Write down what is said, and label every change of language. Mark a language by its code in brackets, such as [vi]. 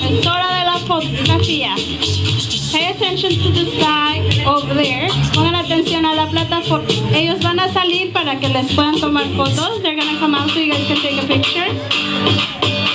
[es] Es hora de la fotografía. [en] Pay attention to the sky over there. [es] Pongan atención a la plataforma. Ellos van a salir para que les puedan tomar fotos. [en] They're gonna come out so you guys can take a picture.